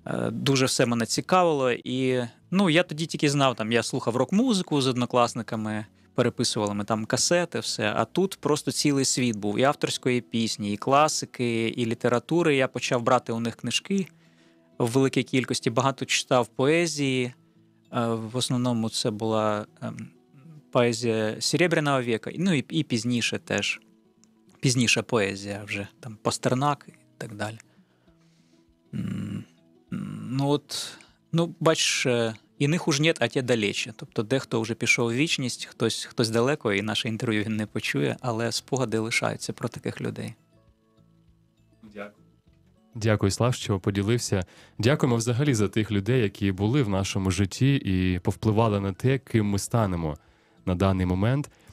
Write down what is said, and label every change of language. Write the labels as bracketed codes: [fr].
[uk] Дуже все мене цікавило, і, ну, я тоді тільки знав, там, я слухав рок-музику з однокласниками, переписували ми там касети, все, а тут просто цілий світ був, і авторської пісні, і класики, і літератури, я почав брати у них книжки в великій кількості, багато читав поезії, в основному це була поезія Серебряного віка, ну, і пізніше теж, пізніша поезія вже, там, Пастернак і так далі. Ну, от, ну, бачиш, [ru] і них уж нет, а те далече. [uk] Тобто дехто вже пішов у вічність, хтось далеко, і наше інтерв'ю він не почує, але спогади лишаються про таких людей. Дякую. Дякую, Слав, що поділився. Дякуємо взагалі за тих людей, які були в нашому житті і повпливали на те, ким ми станемо на даний момент.